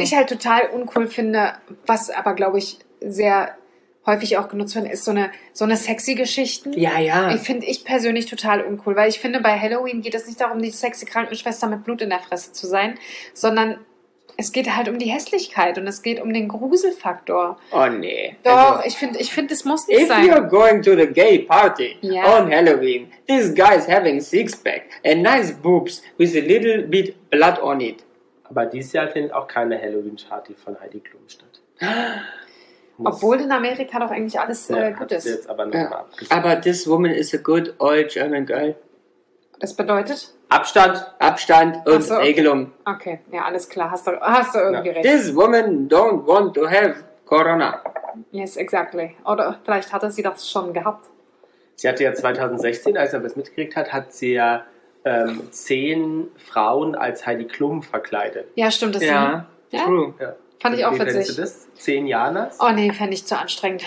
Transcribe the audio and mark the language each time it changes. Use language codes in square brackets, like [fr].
[de] Was ich halt total uncool finde, was aber glaube ich sehr häufig auch genutzt werden, ist so eine sexy Geschichten. Ja, ja. Die finde ich persönlich total uncool, weil ich finde, bei Halloween geht es nicht darum, die sexy Krankenschwester mit Blut in der Fresse zu sein, sondern es geht halt um die Hässlichkeit und es geht um den Gruselfaktor. Oh, nee. Doch, also, ich finde, es muss nicht sein. [en] If you're going to the gay party on Halloween, this guy is having six-pack and nice boobs with a little bit blood on it. [de] Aber dieses Jahr findet auch keine Halloween-Party von Heidi Klum statt. Muss. Obwohl in Amerika doch eigentlich alles gut ist. Jetzt aber, [en] aber this woman is a good old German girl. [de] Das bedeutet? Abstand und so, Regelung. Okay, ja, alles klar. Hast du irgendwie recht. [en] This woman don't want to have Corona. Yes, exactly. [de] Oder vielleicht hatte sie das schon gehabt. Sie hatte ja 2016, als er das mitgekriegt hat, hat sie ja 10 Frauen als Heidi Klum verkleidet. Ja, stimmt. Das ja. Ja, true. Ja. Fand ich auch witzig. Wie findest du das? 10 Jahre? Oh nee, fände ich zu anstrengend.